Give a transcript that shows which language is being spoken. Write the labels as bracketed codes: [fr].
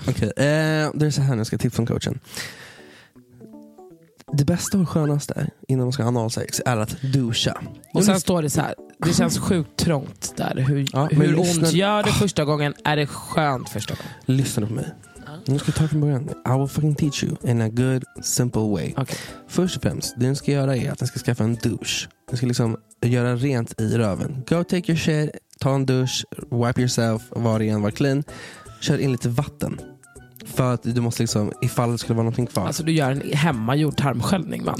[sv] Okej, det är så här nu, jag ska tipsa om coachen. Det bästa och skönaste innan man ska ha analsex är att duscha. Och sen står det så här, det känns sjukt trångt där. Hur ont gör det första gången? Är det skönt första gången? Lyssna på mig. Nu ska jag ta från början. [en] I will fucking teach you in a good, simple way. Okay. [sv] Först och främst, det du ska göra är att du ska skaffa en dusch. Du ska liksom göra rent i röven. [en] Go take your shit, [sv] ta en dusch, [en] wipe yourself, [sv] var ren, var [en] clean. [sv] Kör in lite vatten. För att du måste liksom, ifall det skulle vara någonting kvar. Alltså du gör en hemmagjord tarmsköljning, man.